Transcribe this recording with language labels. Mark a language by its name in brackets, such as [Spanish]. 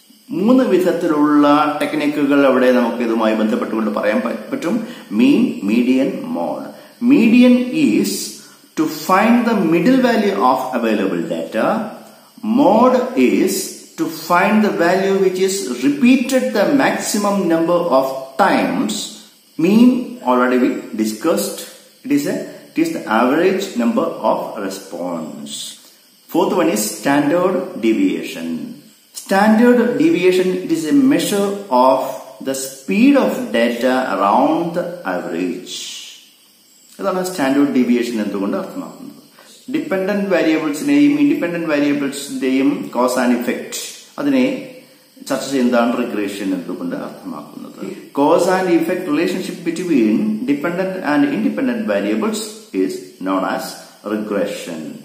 [Malayalam] മൂന്ന് വിധത്തിലുള്ള ടെക്നിക്കുകൾ അവിടെ നമുക്ക് ഇതുമായി ബന്ധപ്പെട്ടുകൊണ്ട് പറയാൻ പറ്റും. [English] Mean, median, mode. Median is to find the middle value of available data. Mode is to find the value which is repeated the maximum number of times. Mean already we discussed, it is the average number of response. Fourth one is standard deviation. Standard deviation, it is a measure of the speed of data around the average. [Malayalam] ഇതാണ് standard deviation എന്തുകൊണ്ട് അർത്ഥമാക്കുന്നത്. Dependent വേരിയബിൾസിനെയും independent വേരിയബിൾസിന്റെയും cause and effect അതിനെ ചർച്ച ചെയ്യുന്നതാണ് regression എന്നതുകൊണ്ട് അർത്ഥമാക്കുന്നത്. [English] Cause and effect relationship between dependent and independent variables is known as regression.